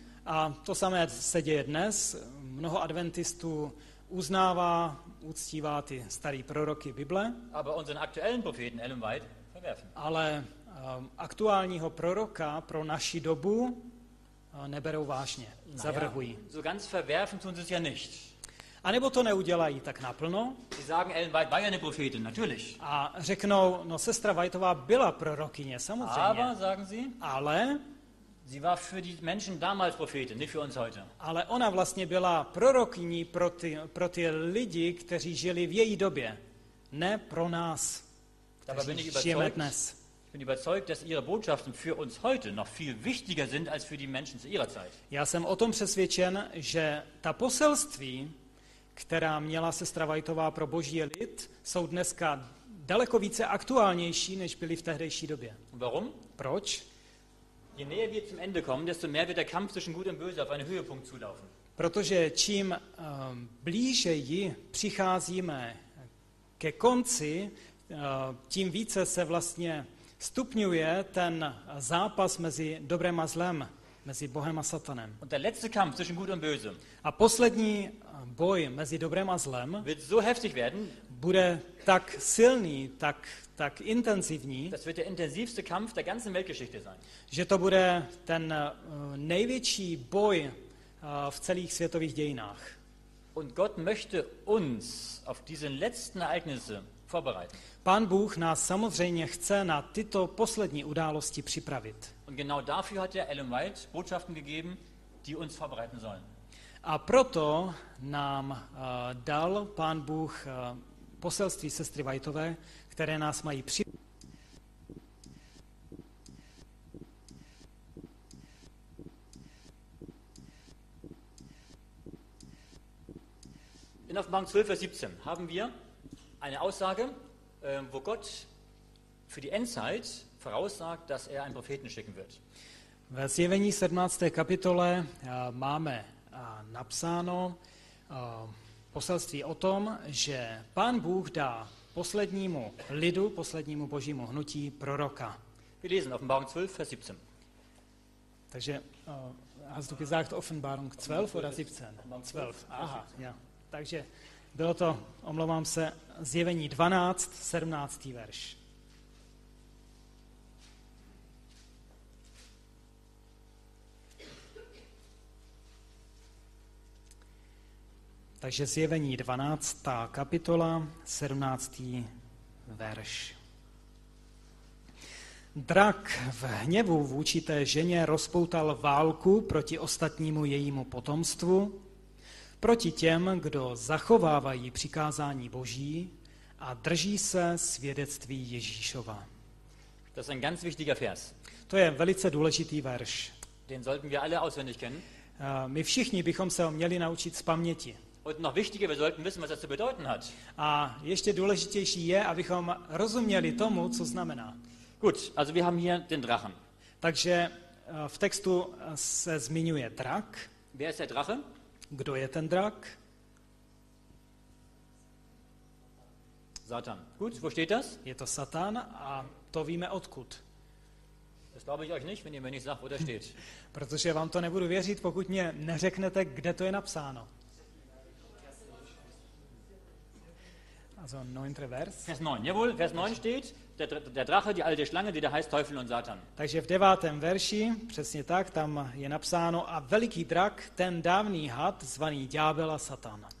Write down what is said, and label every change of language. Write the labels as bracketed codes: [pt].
[cs] A to samé se děje dnes. Mnoho adventistů uznává, uctívá ty staré proroky Bible. [de] Aber unseren aktuellen Propheten Ellen White verwerfen. [cs] Ale aktuálního proroka pro naši dobu neberou vážně, zavrhují. [de] Naja, so ganz verwerfen tun sie es ja nicht. [cs] A nebo to neudělají tak naplno. [de] Sie sagen, Ellen White war eine Prophetin, natürlich. [cs] A řeknou, no sestra Whiteová byla prorokyně, samozřejmě. [de] Aber, sagen sie, [cs] ale [de] sie war für die Menschen damals Prophetin, nicht für uns heute. [cs] Ale ona vlastně byla prorokyní pro ty lidi, kteří žili v její době, ne pro nás, kteří žijeme dnes. [de] Ich bin überzeugt, dass ihre Botschaften für uns heute noch viel wichtiger sind als für die Menschen zu ihrer Zeit. [cs] Já jsem o tom přesvědčen, že ta poselství, která měla sestra Whiteová pro boží lid, jsou dneska daleko více aktuálnější, než byly v tehdejší době. [de] Warum? [cs] Proč? [de] Je näher wir zum Ende kommen, desto mehr wird der Kampf zwischen Gut und Böse auf einen Höhepunkt zulaufen. [cs] Protože čím blíže ji přicházíme ke konci, tím více se vlastně stupňuje ten zápas mezi dobrem a zlem, mezi Bohem a Satanem. [de] Und der letzte Kampf zwischen Gut und Böse. [cs] A poslední boj mezi dobrem a zlem [de] wird so heftig werden, [cs] bude tak silný, tak intenzivní, [de] das wird der intensivste Kampf der ganzen Weltgeschichte sein. [cs] Že to bude ten největší boj v celých světových dějinách. [de] Und Gott möchte uns auf diese letzten Ereignisse vorbereiten. [cs] Pán Bůh nás samozřejmě chce na tyto poslední události připravit. [de] Und genau dafür hat Ellen White Botschaften gegeben, die uns vorbereiten sollen. [cs] A proto nám dal Pán Bůh poselství sestry Whiteové, které nás mají připravit. [de] In Offenbarung 12:17 haben wir eine Aussage, wo Gott für die Endzeit voraussagt, dass er einen Propheten schicken wird. [cs] Ve Zjevení 17. kapitole máme napsáno poselství o tom, že Pán Bůh dá poslednímu lidu, poslednímu božímu hnutí proroka. [de] Wir lesen Offenbarung 12:17. Takže hast du gesagt Offenbarung 12 oder 17? 12. Aha, ja. [cs] Takže bylo to, omlouvám se, Zjevení 12, 17. verš. Takže Zjevení 12. kapitola, 17. verš. Drak v hněvu vůči té ženě rozpoutal válku proti ostatnímu jejímu potomstvu, proti těm, kdo zachovávají přikázání Boží a drží se svědectví Ježíšova. [de] Das ist ein ganz wichtiger Vers. [cs] To je velice důležitý verš. [de] Den sollten wir alle auswendig kennen. [cs] My všichni bychom se ho měli naučit z paměti. [de] Und noch wichtiger, wir sollten wissen, was das zu bedeuten hat. [cs] A ještě důležitější je, abychom rozuměli tomu, co znamená. [de] Gut, also wir haben hier den Drachen. [cs] Takže v textu se zmiňuje drak. [de] Wer ist der Drache? [cs] Kdo je ten drak? [de] Satan. Gut, wo steht das? [cs] Je to Satan a to víme odkud. [de] Das glaube ich euch nicht, wenn ihr mir nicht sagt, wo das steht. [cs] Protože vám to nebudu věřit, pokud mě neřeknete, kde to je napsáno. [de] Also 9. Vers. Vers 9. Jawohl, Vers 9 steht, der Drache, die alte Schlange, die da heißt Teufel und Satan. [cs] Takže v 9. verši, přesně tak, tam je napsáno a veliký drak, ten dávný had, zvaný ďábel a Satan.